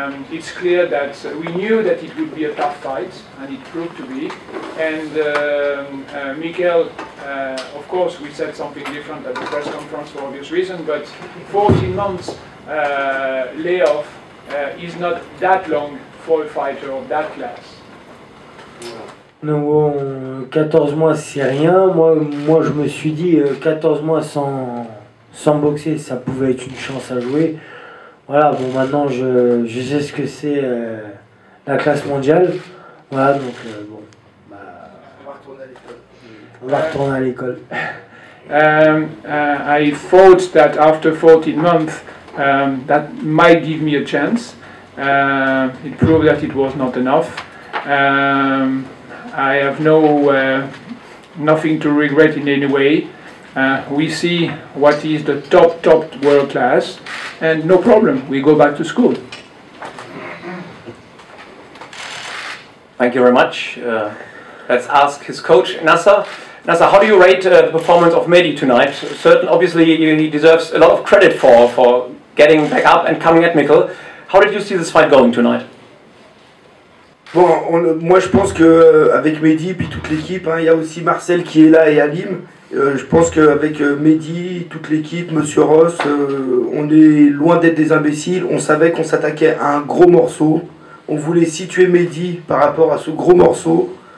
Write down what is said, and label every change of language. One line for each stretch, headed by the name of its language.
English: It's clear that we knew that it would be a tough fight, and it proved to be. And Mikael, of course, we said something different at the press conference for obvious reasons, but 14 months layoff is not that long for a fighter of that class.
French: Donc bon, 14 mois c'est rien, moi je me suis dit 14 mois sans boxer ça pouvait être une chance à jouer. Voilà, bon maintenant je sais ce que c'est la classe mondiale. Voilà donc bon, bah, on va retourner à l'école.
English: I thought that after 14 months that might give me a chance. It proved that it was not enough. I have nothing to regret in any way. We see what is the top world class, and no problem. We go back to school. Thank you very much. Let's ask his coach, Nasser. Nasser, how do you rate the performance of Mehdi tonight? Obviously, he deserves a lot of credit for getting back up and coming at Mikkel. How did you see this fight going tonight?
French: Bon, moi je pense que avec Mehdi puis toute l'équipe, hein, il y a aussi Marcel qui est là et Alim. Je pense qu'avec Mehdi, toute l'équipe, Monsieur Ross, on est loin d'être des imbéciles. On savait qu'on s'attaquait à un gros morceau. On voulait situer Mehdi par rapport à ce gros morceau.